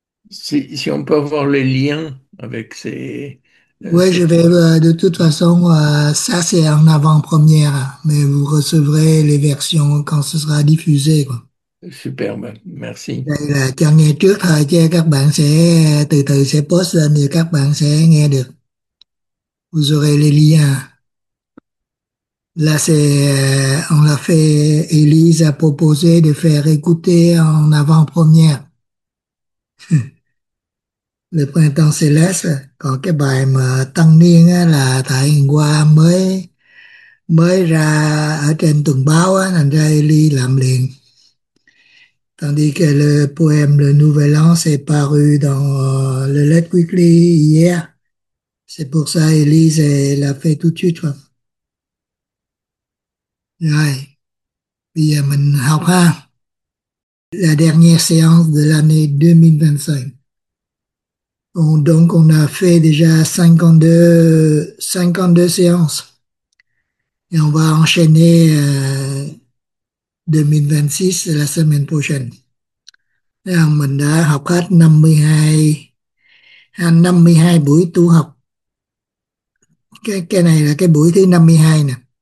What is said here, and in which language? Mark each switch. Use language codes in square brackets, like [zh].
[fr] Si on peut avoir les liens avec ces Ouais, je vais, de toute façon, ça c'est en avant-première, mais vous recevrez les versions quand ce sera diffusé, quoi. superbe, merci. [vi] Là, cho nghe trước thôi chứ các bạn sẽ từ từ sẽ post lên thì các bạn sẽ nghe được. [fr] Vous aurez les liens. Là, on l'a fait, Élise a proposé de faire écouter en avant-première. [vi] Le printemps céleste, còn cái bài mà Tân Niên á, là thời qua mới mới ra ở trên tuần báo á, thành ra Élise làm liền. [fr] Tandis que le poème Le Nouvel An s'est paru dans le Lettre Weekly hier. C'est pour ça Élise l'a fait tout de suite. Quoi. Ouais. [vi] Bây giờ mình học ha. [fr] La dernière séance de l'année 2025. Donc, on a fait déjà 52 séances. Et on va enchaîner 2026 la semaine prochaine. [vi] Là, mình đã học hết 52 buổi tu học. Cái này là cái buổi thứ 52 nè.